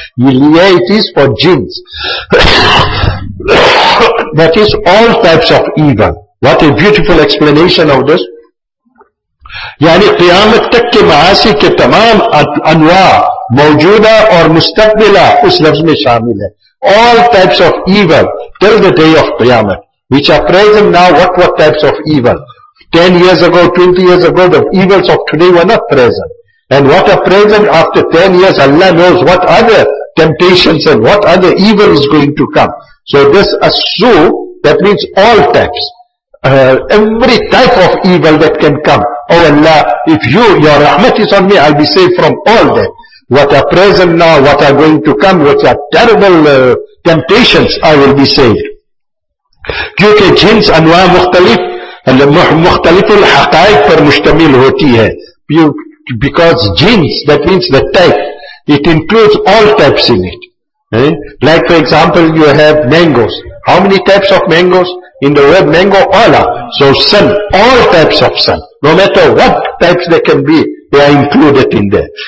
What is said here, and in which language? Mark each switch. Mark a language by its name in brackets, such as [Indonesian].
[English] Yeah, it is for jinns. That is all types of evil. What a beautiful explanation of this. [Urdu] یعنی قیامت تک کے معاصی کے تمام انواع موجودہ اور مستقبلہ اس لفظ میں شامل ہے. [English] All types of evil till the day of قیامت which are present now, what types of evil. 10 years ago, 20 years ago, the evils of today were not present. And what are present after 10 years, Allah knows what other temptations and what other evil is going to come. So this asu, that means all types, every type of evil that can come. Oh Allah, if you, your rahmat is on me, I'll be saved from all that. What are present now, what are going to come, what are terrible temptations, I will be saved. [Urdu] کیونکہ جنس انواع مختلف مختلف الحقائق پر مشتمل ہوتی ہے. [English] Because جنس, that means the type, it includes all types in it. Like for example, you have mangoes. How many types of mangoes? In the word mango pala, so sun, all types of sun, no matter what types they can be, they are included in there.